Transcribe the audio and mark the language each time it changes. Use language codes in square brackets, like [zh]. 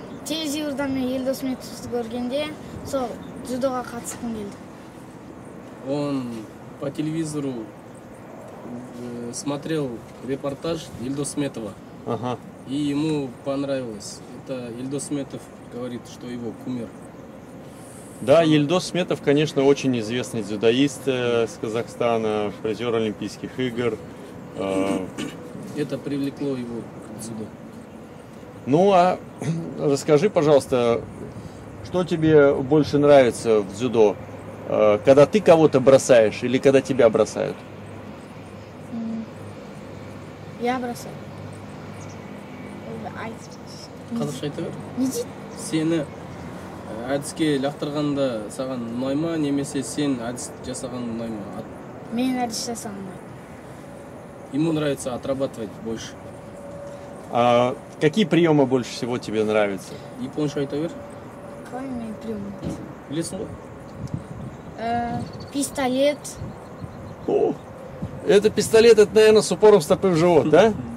[kk] Телевизор, [ru] да, мне [kk] Елдос Митсус Горгенде, сол, дзюдоға қатысқым келді. [ru] Он по телевизору смотрел репортаж Ильдо Сметова. Ага. И ему понравилось. Это Ильдо Сметов говорит, что его кумир. Да, Ильдо Сметов, конечно, очень известный дзюдоист из Казахстана, призер Олимпийских игр. Это привлекло его к дзюдо. Ну, а расскажи, пожалуйста, что тебе больше нравится в дзюдо? Когда ты кого-то бросаешь или когда тебя бросают? Я бросаю. [kk] Қазақша айта бер. Не дейді? Сені әдіске лақтырғанда саған ұнай ма, немесе сен әдіс жасаған ұнай ма? Мен әдіс жасаған ұнай. [ru] Ему нравится отрабатывать больше. А какие приемы больше всего тебе нравятся? [kk] Японша айта бер. [ru] Какой мне прием? [kk] Білесің ба? [ru] Пистолет. О, это пистолет, это, наверное, с упором стопы в живот, да?